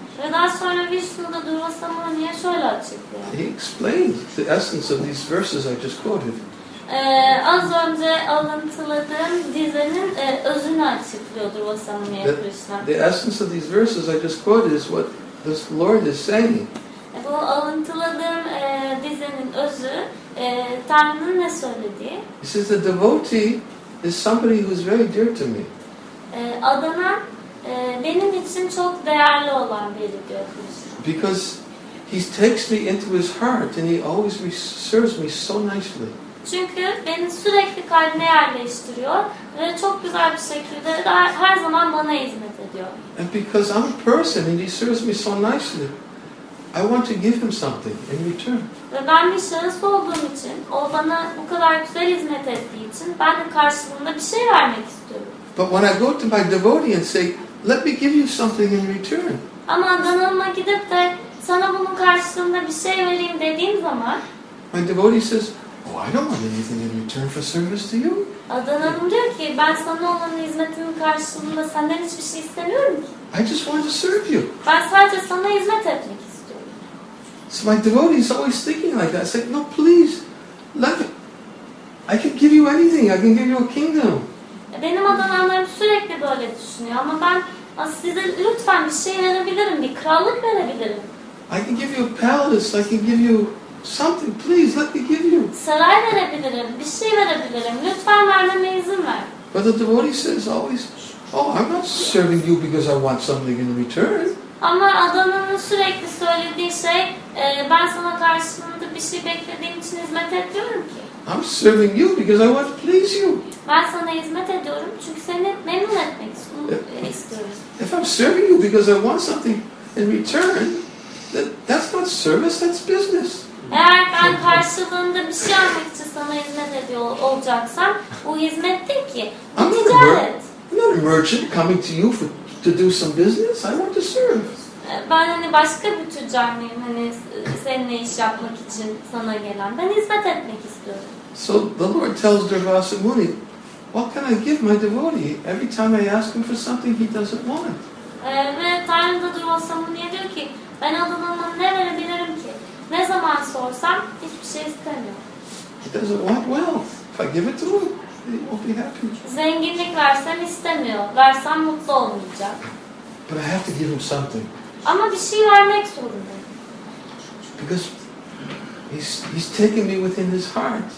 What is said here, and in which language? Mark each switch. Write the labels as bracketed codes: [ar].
[tr] Ve daha sonra Vishnu'da Durvasa Muni'ye şöyle açıklıyor. [en] He explained the essence of these verses I just quoted. [tr] Az önce alıntıladığım dizenin özünü açıklıyor Durvasa Muni'ye Krishna. [en] The essence of these verses I just quoted is what this Lord is saying. [tr] Bu alıntıladığım dizenin özü Tanrı'nın ne söylediği? [en] He says the devotee is somebody who is very dear to me. [tr] Adanan Benim için çok değerli olan biri diyor. [en] Because he takes me into his heart and he always serves me so nicely. [tr] Çünkü beni sürekli kalbine yerleştiriyor ve çok güzel bir şekilde her zaman bana hizmet ediyor. [en] And because I'm a person and he serves me so nicely, I want to give him something in return. [tr] Ve ben bir şahıs olduğum için, o bana bu kadar güzel hizmet ettiği için ben de karşılığında bir şey vermek istiyorum. [en] But when I go to my devotee and say, let me give you something in return. [tr] Ama danılma gidip de sana bunun karşılığında bir şey vereyim dediğim zaman, [en] my devotee says, oh, I don't want anything in return for service to you. [tr] Adananım diyor ki, ben sana olan hizmetimin karşılığında senden hiçbir şey istemiyorum ki. [en] I just want to serve you. [tr] Ben sadece sana hizmet etmek istiyorum. [en] So my devotee is always thinking like that. I said, no, please, let me. I can give you anything. I can give you a kingdom. [tr] Benim adananlarım sürekli böyle düşünüyor. Ama ben size lütfen bir şey verebilirim, bir krallık verebilirim. [en] I can give you a palace. I can give you something, please, let me give you. [tr] Saray verebilirim, bir şey verebilirim. Lütfen vermeme izin ver. [en] But the devotee says always, oh, I'm not serving you because I want something in return. [tr] Ama adamın sürekli söylediği şey, ben sana karşılığında bir şey beklediğim için hizmet etmiyorum ki. [en] I'm serving you because I want to please you. [tr] Ben sana hizmet ediyorum çünkü seni memnun etmek istiyorum. [en] If I'm serving you because I want something in return, that's not service, that's business. [tr] Eğer ben karşılığında bir şey almak için sana hizmet ediyor olacaksam, bu hizmet değil ki, bu ticaret. [en] I'm not a merchant coming to you for, to do some business. I want to serve. [tr] Ben hani başka bir tüccar mıyım? Hani seninle iş yapmak için sana gelen. Ben hizmet etmek istiyorum. [en] So the Lord tells Durvasamuni, what can I give my devotee? Every time I ask him for something, he doesn't want. [tr] Ve Tanrı da Durvasamuni diyor ki, ben adamıma ne verebilirim ki? Ne zaman sorsam hiçbir şey istemiyor. [en] He doesn't want wealth. If I give it to him, he won't be happy. [tr] Zenginlik versem istemiyor. Versem mutlu olmayacak. [en] But I have to give him something. [tr] Ama bir şey vermek zorundayım. [en] Because he's taken me within his heart.